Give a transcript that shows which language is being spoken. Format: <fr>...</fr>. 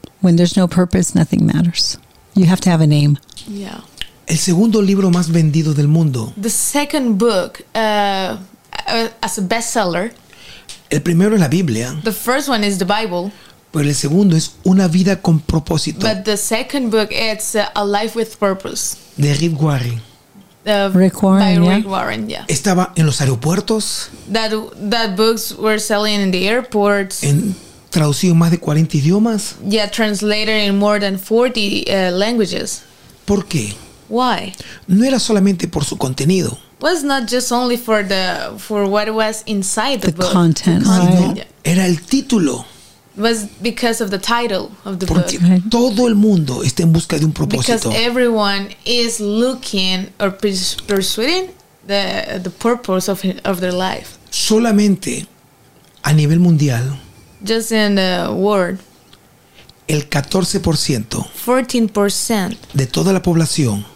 <en>When there's no purpose, nothing matters. You have to have a name. Yeah.</en> <es>El segundo libro más vendido del mundo.</es> <en>The second book as a bestseller.</en> <es>El primero es la Biblia.</es> <en>The first one is the Bible.</en> <es>Pero el segundo es Una vida con propósito.</es> <en>But the second book, it's A Life with Purpose.</en> <es>De Rick Warren.</es> <en>Rick Warren, yeah.</en> <es>Estaba en los aeropuertos.</es> <en>That books were selling in the airports.</en> <es>En traducido en más de 40 idiomas.</es> <en>Yeah, translated in more than 40 languages.</en> <es>¿Por qué?</es> <en>Why?</en> <es>No era solamente por su contenido.</es> <en>Was not just only for what was inside the book. Content, the content, right?</en> <es>Era el título.</es> <en>Was because of the title of the</en> <es>Porque</es> <en>book. Right.</en> <es>Todo el mundo está en busca de un propósito.</es> <en>Because everyone is looking or pursuing the purpose of their life.</en> <es>Solamente a nivel mundial.</es> <en>Just in the world.</en> <es>El 14%. 14%. De toda la población.</es>